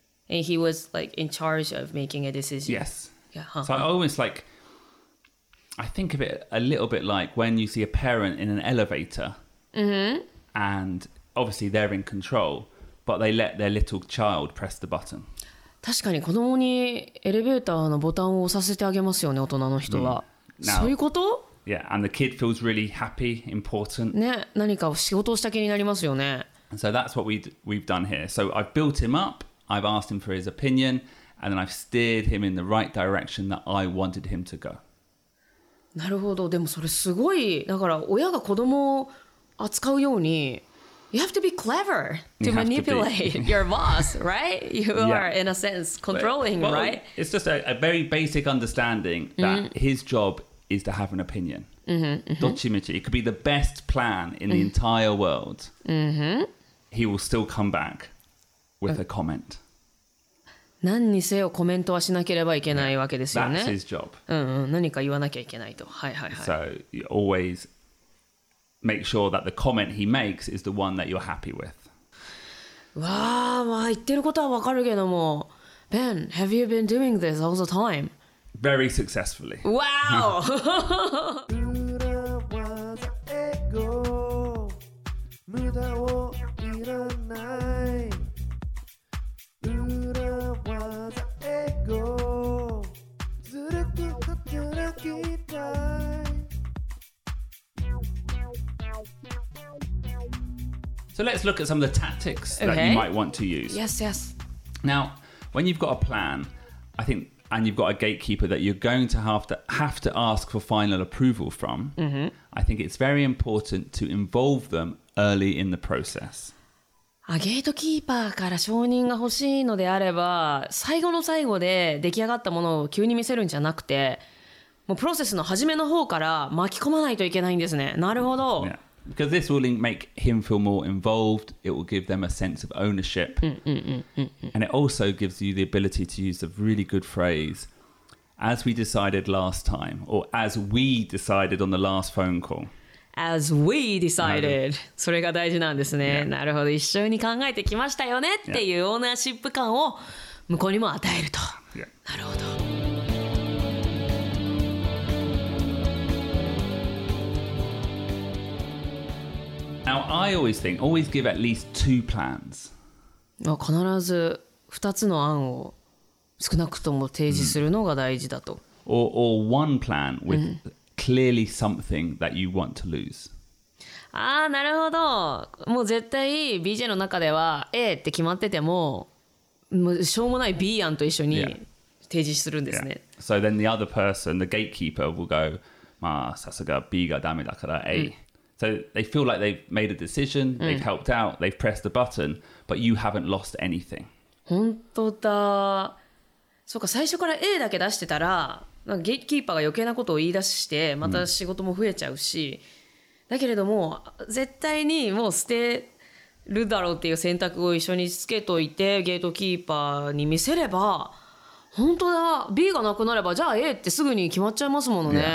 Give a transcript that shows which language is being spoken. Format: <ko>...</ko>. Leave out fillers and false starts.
<en>And he was like in charge of making a decision. Yes. Yeah. So I almost like, I think of it a little bit like when you see a parent in an elevator. Mm-hmm. And obviously they're in control, but they let their little child press the button.</en> <ja>確かに子供にエレベーターのボタンを押させてあげますよね、大人の人は。 Mm. Now, そういうこと?</ja> <en>Yeah, and the kid feels really happy, important.</en> <ja>ね、何か仕事をした気になりますよね。</ja> <en>So that's what we've done here. So I've built him up, I've asked him for his opinion, and then I've steered him in the right direction that I wanted him to go.</en> <ja>なるほど。でもそれすごい。だから親が子供を扱うように、</ja> <en>You have to be clever to manipulate your boss, right? You are, in a sense, controlling, right? It's just a very basic understanding that his job is to have an opinion.</en> <ja>どっちみち。</ja> <en>It could be the best plan in the entire world. He will still come back with a comment.</en> <ja>何にせよコメントはしなければいけないわけですよね。</ja> <en>That's his job.</en> <ja>何か言わなきゃいけないと。はいはいはい。</ja> <en>So, you always... Make sure that the comment he makes is the one that you're happy with. Wow,</en> <ja>まあ言ってることはわかるけども</ja> <en>Ben, have you been doing this all the time? Very successfully. Wow! So let's look at some of the tactics that you might want to use. Yes, yes. Now, when you've got a plan, I think, and you've got a gatekeeper that you're going to have to ask for final approval from, I think it's very important to involve them early in the process.</en> <ja>ゲートキーパーから承認が欲しいのであれば、最後の最後で出来上がったものを急に見せるんじゃなくて、もうプロセスの初めの方から巻き込まないといけないんですね。なるほど。</ja> <en>Yeah. Because this will make him feel more involved, it will give them a sense of ownership, and it also gives you the ability to use a really good phrase, as we decided last time, or as we decided on the last phone call. As we decided.</en> <ja>それが大事なんですね。なるほど。一緒に考えてきましたよねっていうオーナーシップ感を向こうにも与えると。なるほど。</ja> <en>Now, I always think, always give at least two plans.</en> <ja>必ず2つの案を少なくとも提示するのが大事だと。</ja> <en>Or one plan with clearly something that you want to lose.</en> <ja>ああ、なるほど。もう絶対 BJ の中では A って決まってても、もうしょうもない B 案と一緒に提示するんですね。</ja> <en>Yeah. So then the other person, the gatekeeper, will go,</en> <ja>まあさすが B がダメだから A.、</ja> <en>So they feel like they've made a decision, they've helped out, they've pressed the button, but you haven't lost anything.</en> <ja>本当だ。そうか、最初から A だけ出してたら、なんかゲートキーパーが余計なことを言い出して、また仕事も増えちゃうし、だけれども、絶対にもう捨てるだろうっていう選択を一緒につけといて、ゲートキーパーに見せれば、本当だ、B がなくなれば、じゃあ A ってすぐに決まっちゃいますものね。</ja>